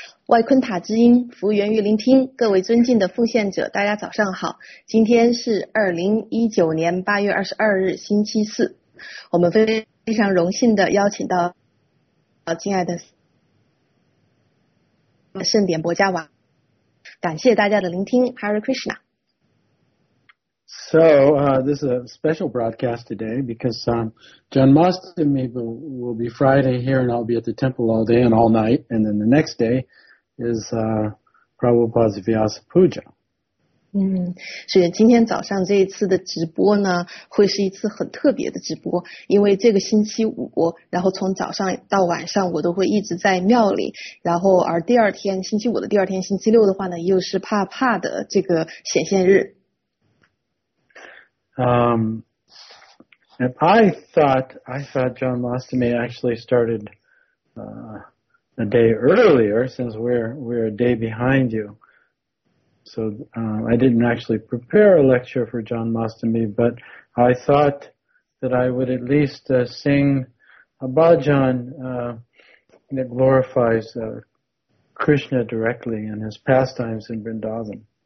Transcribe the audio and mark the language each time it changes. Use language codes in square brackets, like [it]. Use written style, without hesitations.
[zh] 外昆塔之音，服务源于聆听。各位尊敬的奉献者，大家早上好。今天是2019年8月22日，星期四。我们非常荣幸的邀请到，亲爱的圣典博加瓦，感谢大家的聆听。 [en] Hare Krishna。 So, this is a special broadcast today because John Mostyn will be Friday here and I'll be at the temple all day and all night. And then the next day is Prabhupada's Vyasa Puja. [zh] 所以今天早上这一次的直播呢会是一次很特别的直播，因为这个星期五然后从早上到晚上我都会一直在庙里，然后而第二天星期五的第二天星期六的话呢又是帕帕的这个显现日。 [en] And I thought John Mostyn actually started a day earlier, since we're a day behind you. So I didn't actually prepare a lecture for John Mostyn, but I thought that I would at least sing a bhajan that glorifies Krishna directly and his pastimes in Vrindavan.